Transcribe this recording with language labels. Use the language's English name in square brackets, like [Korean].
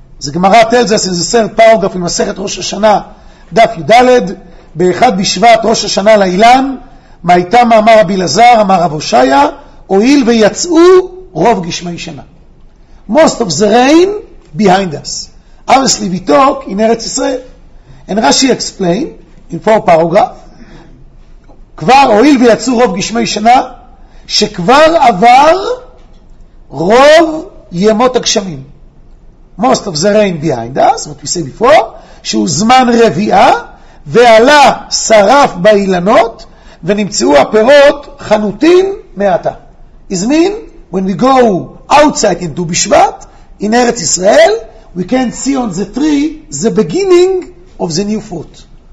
[English] The Gemara tells us in the third paragraph in Masechet Rosh Hashanah Daf Yudaled, [Hebrew] Be'echad Bishvat Rosh Hashanah Leilan, מהייתה מאמר רבי לזר, אמר רב הושעיה, הועיל ויצאו רוב גשמי שנה. [English] Most of the rain behind us. Obviously we talk in ארץ ישראל. And Rashi explain, in four paragraphs, [Hebrew] כבר הועיל ויצאו רוב גשמי שנה, שכבר עבר רוב ימות הגשמים. [English] Most of the rain behind us, what we say before, [Hebrew] שהוא זמן רביעה, ועלה שרף באילנות, ונמצאו הפירות חנותים מעטה. [English] Is mean, when we go outside into בשבט, in ארץ ישראל, we can see on the tree, the beginning of the new fruit.